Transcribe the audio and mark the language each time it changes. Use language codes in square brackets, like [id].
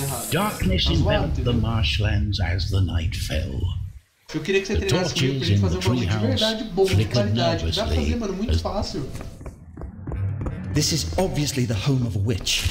[en] Darkness enveloped the marshlands as the night fell. [pt] Eu queria que você treinasse comigo pra gente fazer uma noite de verdade boa, de qualidade. Dá pra fazer, mano, muito fácil. [en] This is obviously the home of a witch.